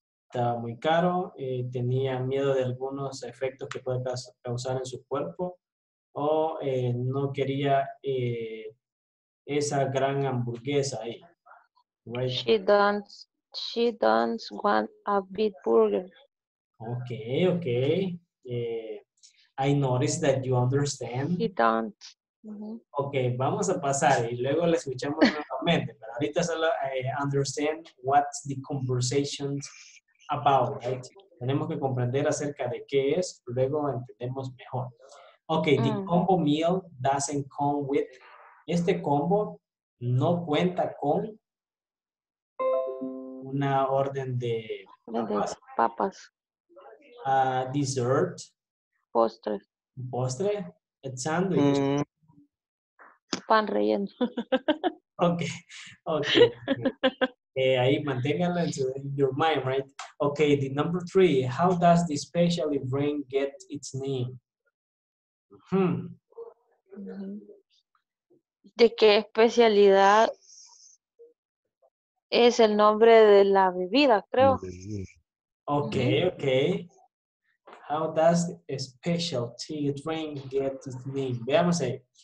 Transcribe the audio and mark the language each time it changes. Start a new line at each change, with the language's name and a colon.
Spanish: Estaba muy caro, tenía miedo de algunos efectos que puede causar en su cuerpo, o no quería esa gran hamburguesa ahí.
English: Right? She don't want a big burger. Okay, okay. I noticed that you understand. She don't. Mm-hmm.
Spanish: Okay, vamos a pasar y luego la escuchamos nuevamente. Pero ahorita solo
English: understand what the conversation about, right?
Spanish: Tenemos que comprender acerca de qué es, luego entendemos mejor.
English: Okay, the combo meal doesn't come with.
Spanish: Este combo no cuenta con una orden de papas.
English: Dessert.
Spanish: Postre. Postre.
English: A sandwich. Mm.
Spanish: Pan relleno.
English: Okay.
Spanish: Ahí manténganlo en
English: your mind, right? Okay, the number three. How does the special event get its name?
Spanish: ¿De qué especialidad es el nombre de la bebida, creo?
English: Okay, okay. How does a specialty drink get its name?
Spanish: Veamos ahí.